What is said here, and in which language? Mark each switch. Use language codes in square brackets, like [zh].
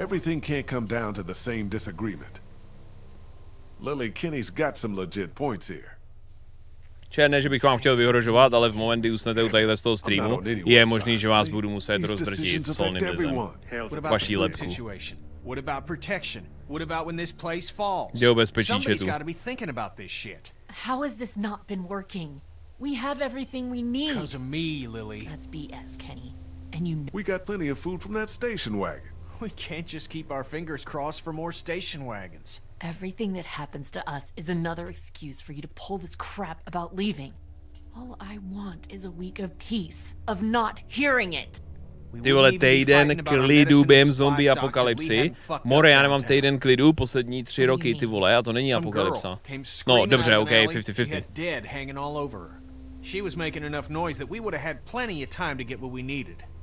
[en] Everything can't come down to the same disagreement. Lily, Kenny's got some legit points here. [cs] Černé, že bych vám chtěl vyhrožovat, ale v moment, kdy usnete u tadyhle z toho streamu, je možný, že vás budu muset rozdrtit solným lizem. Vaší lepku. [en] What about protection? What about when this place falls? [cs] Jde o bezpečí četu. [en] Somebody's gotta be thinking about this shit. How has this not been working? We have everything we need. Because of me, Lily. That's BS, Kenny. And you know. We got plenty of food from that station wagon. We can't just keep our fingers crossed for more station wagons. Everything that happens to us is another excuse for you to pull this crap about leaving. All I want is a week of peace, of not hearing it. [cs] Ty vole, týden klidu během zombie apokalypsy. More, já nemám týden klidu poslední tři roky, ty vole, a to není apokalypsa. No, dobře, ok, 50-50.